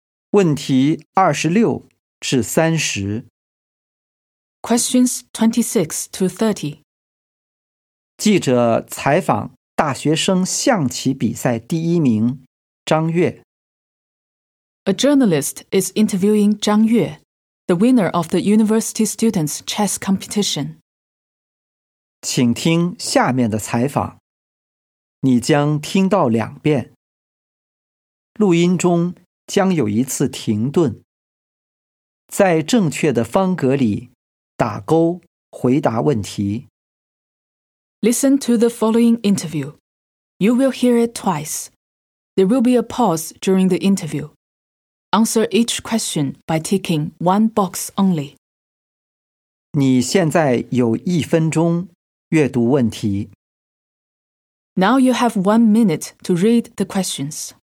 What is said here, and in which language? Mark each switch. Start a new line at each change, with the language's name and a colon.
Chinese: 问题26-30。
English: Questions 26-30.
Chinese: 记者采访大学生象棋比赛第一名张悦。
English: A journalist is interviewing Zhang Yue, the winner of the university students' chess competition.
Chinese: 请听下面的采访，你将听到两遍。录音中将有一次停顿，在正确的方格里打勾回答问题。
English: Listen to the following interview. You will hear it twice. There will be a pause during the interview. Answer each question by ticking one box only.
Chinese: 你现在有一分钟阅读问题。
English: Now you have 1 minute to read the questions.